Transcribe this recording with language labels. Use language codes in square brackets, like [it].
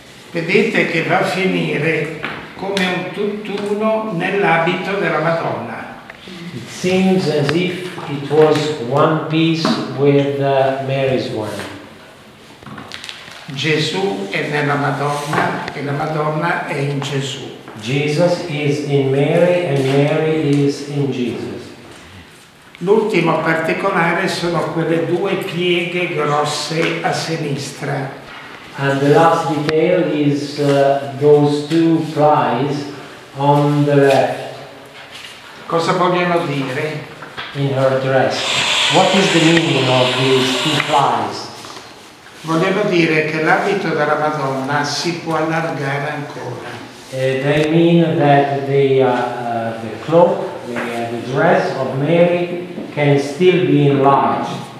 [it] Vedete che va a finire come un tutt'uno nell'abito della Madonna. [en] It seems as if it was one piece with Mary's one. [it] Gesù è nella Madonna e la Madonna è in Gesù. [en] Jesus is in Mary and Mary is in Jesus. [it] L'ultimo particolare sono quelle due pieghe grosse a sinistra. [en] And the last detail is those two pies on the left. [it] Cosa vogliono dire? [en] In her dress. What is the meaning of these two pies? [it] Vogliono dire che l'abito della Madonna si può allargare ancora. [en] They mean that the cloak, the dress of Mary can still be enlarged.